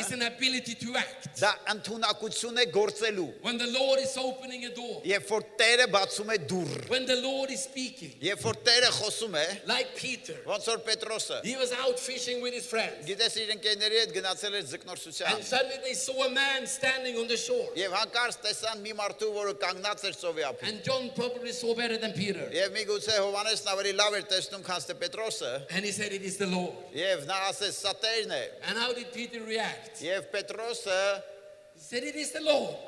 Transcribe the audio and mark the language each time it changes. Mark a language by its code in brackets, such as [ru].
[en] It's an ability to act. [hy] Դա ընդունակություն է գործելու։ [en] When the Lord is opening a door. [hy] Երբ որ Տերը բացում է դուռ։ [en] When the Lord is speaking. [hy] Երբ որ Տերը խոսում է։ [en] Like Peter. [hy] Ոնց որ Պետրոսը։ [en] He was out fishing with his friends. [hy] Գիտես իր ընկերների հետ գնացել էր զկնորսության։ [en] Suddenly they saw a man standing on the shore. [hy] Եվ հանկարծ տեսան մի մարդու, որը կանգնած էր ծովի ափին։ [en] And John probably saw better than Peter. [hy] Եվ մի գուցե Հովհանեսն ավելի լավ էր տեսնում, քան ստե Պետրոսը։ [en] And he said it is the Lord. [hy] Եվ նա ասեց, սա Տերն է։ [en] And how did Peter react? [hy] Եվ Պետրոսը [en] said it is the Lord.